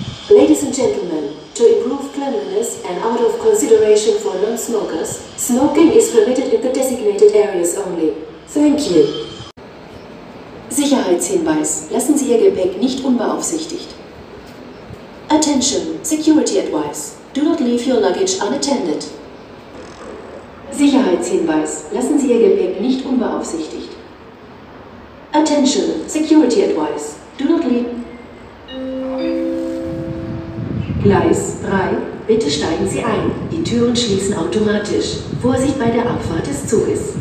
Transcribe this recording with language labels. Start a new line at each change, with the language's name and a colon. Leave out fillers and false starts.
English: Ladies and gentlemen, to improve cleanliness and out of consideration for non-smokers, smoking is permitted in the designated areas only. Thank you.
German: Sicherheitshinweis. Lassen Sie Ihr Gepäck nicht unbeaufsichtigt.
English: Attention. Security advice. Do not leave your luggage unattended.
German: Sicherheitshinweis. Lassen Sie Ihr Gepäck nicht unbeaufsichtigt.
English: Attention. Security advice. Do not leave...
German: Gleis 3, bitte steigen Sie ein. Die Türen schließen automatisch. Vorsicht bei der Abfahrt des Zuges.